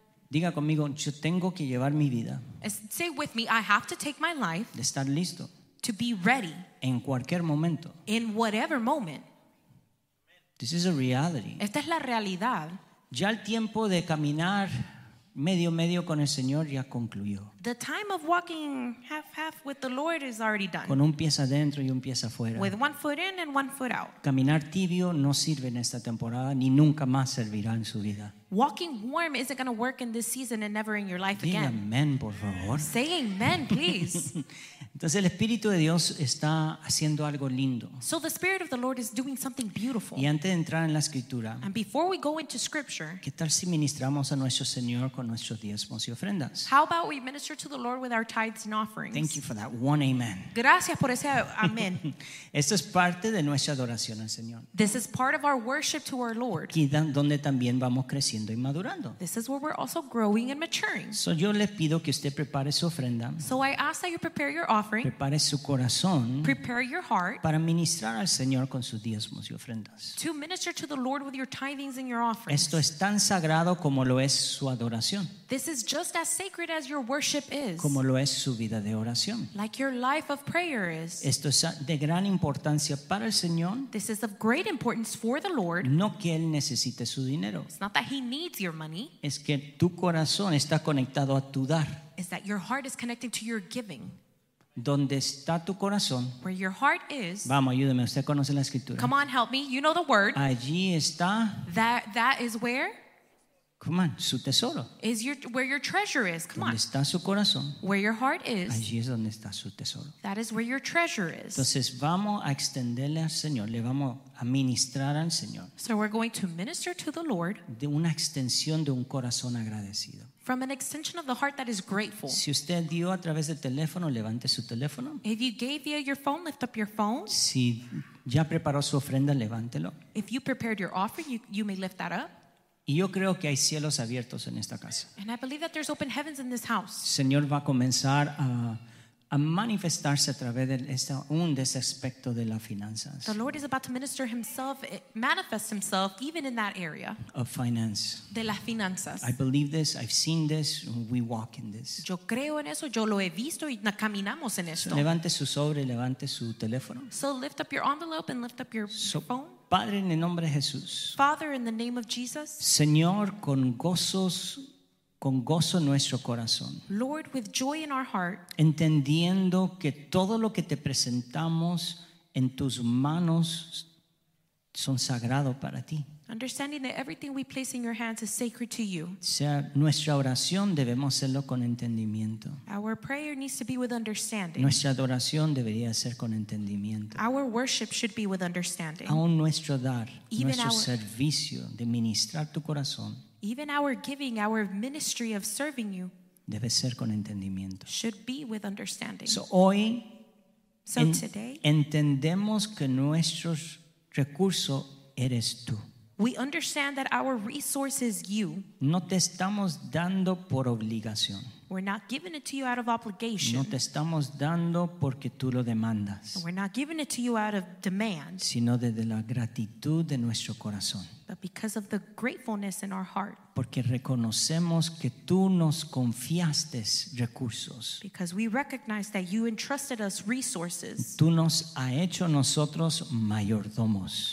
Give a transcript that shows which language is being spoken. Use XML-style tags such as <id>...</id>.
<es>Diga conmigo, yo tengo que llevar mi vida,</es> <en>say with me, I have to take my life,</en> <es>de estar listo,</es> <en>to be ready,</en> <es>en cualquier momento,</es> <en>in whatever moment. This is a reality.</en> <es>Esta es la realidad. Ya el tiempo de caminar medio con el Señor ya concluyó.</es> <en>The time of walking half with the Lord is already done.</en> <es>Con un pie adentro y un pie afuera.</es> <en>With one foot in and one foot out.</en> <es>Caminar tibio no sirve en esta temporada ni nunca más servirá en su vida.</es> <en>Walking warm isn't going to work in this season and never in your life</en> <es>Diga</es> <en>again.</en> <es>Amen, por favor.</es> <en>Say amen, please.</en> <es>Entonces el Espíritu de Dios está haciendo algo lindo.</es> <en>So the Spirit of the Lord is doing something beautiful.</en> <es>Y antes de entrar en la Escritura,</es> <en>and before we go into Scripture,</en> <es>¿qué tal si ministramos a nuestro Señor con nuestros diezmos y ofrendas?</es> <en>How about we minister to the Lord with our tithes and offerings? Thank you for that one amen.</en> <es>Gracias por ese amén. Esto es parte de nuestra adoración al Señor.</es> <en>This is part of our worship to our Lord.</en> <es>Y donde también vamos creciendo y madurando.</es> <en>This is where we're also growing and maturing.</en> <es>So yo le pido que usted prepare su ofrenda.</es> <en>So I ask that you prepare your offering.</en> <es>Prepare su corazón,</es> <en>prepare your heart,</en> <es>para ministrar al Señor con sus diezmos y ofrendas.</es> <en>To minister to the Lord with your tithings and your offerings.</en> <es>Esto es tan sagrado como lo es su adoración.</es> <en>This is just as sacred as your worship is.</en> <es>Como lo es su vida de oración.</es> <en>Like your life of prayer is.</en> <es>Esto es de gran importancia para el Señor.</es> <en>This is of great importance for the Lord.</en> <es>No que él necesite su dinero.</es> <en>It's not that he needs your money.</en> <es>Es que tu corazón está conectado a tu dar.</es> <en>It's that your heart is connected to your giving.</en> <es>Donde está tu corazón.</es> <en>Where your heart is.</en> <es>Vamos, ayúdeme, usted conoce la escritura.</es> <en>Come on, help me, you know the word.</en> <es>Allí está.</es> <en>That is where. Come on,</en> <es>su tesoro.</es> <en>Is your, where your treasure is. Come on.</en> <es>Está su corazón.</es> <en>Where your heart is.</en> <es>Allí es donde está su tesoro.</es> <en>That is where your treasure is.</en> <es>Entonces vamos a extenderle al Señor, le vamos a ministrar al Señor.</es> <en>So we're going to minister to the Lord.</en> <es>De una extensión de un corazón agradecido.</es> <en>From an extension of the heart that is grateful.</en> <es>Si usted dio a través del teléfono, levante su teléfono.</es> <en>If you gave via your phone, lift up your phone.</en> <es>Si ya preparó su ofrenda, levántelo.</es> <en>If you prepared your offering, you may lift that up.</en> <es>Y yo creo que hay cielos abiertos en esta casa.</es> <en>And I believe that there's open heavens in this house.</en> <es>Señor va a comenzar a manifestarse a través de ese aspecto de las finanzas.</es> <en>The Lord is about to minister himself, manifest himself even in that area. Of finance.</en> <es>De las finanzas.</es> <en>I believe this, I've seen this, we walk in this.</en> <es>Yo creo en eso, yo lo he visto y caminamos en esto. Levante su sobre, levante su teléfono.</es> <en>So lift up your envelope and lift up your phone.</en> <es>Padre, en el nombre de Jesús.</es> <en>Father, in the name of Jesus.</en> <es>Señor, con gozos con gozo en nuestro corazón.</es> <en>Lord, with joy in our heart,</en> <es>entendiendo que todo lo que te presentamos en tus manos son sagrado para ti.</es> <en>Understanding that everything we place in your hands is sacred to you.</en> <es>Sea nuestra oración debemos hacerlo con entendimiento.</es> <en>Our prayer needs to be with understanding.</en> <es>Nuestra adoración debería ser con entendimiento.</es> <en>Our worship should be with understanding.</en> <es>Aún nuestro dar, nuestro servicio de ministrar tu corazón.</es> <en>Even our giving, our ministry of serving you,</en> <es>debe ser con entendimiento.</es> <en>Should be with understanding.</en> <es>So hoy,</es> <en>today,</en> <es>entendemos que nuestros recurso eres tú.</es> <en>We understand that our resource is you.</en> <es>No te estamos dando por obligación.</es> <en>We're not giving it to you out of obligation.</en> <es>No te estamos dando porque tú lo demandas.</es> <en>We're not giving it to you out of demand.</en> <es>Sino desde la gratitud de nuestro corazón.</es> <en>But because of the gratefulness in our heart.</en> <es>Porque reconocemos que tú nos confiaste recursos.</es> <en>Because we recognize that you entrusted us resources.</en> <es>Tú nos ha hecho nosotros mayordomos.</es>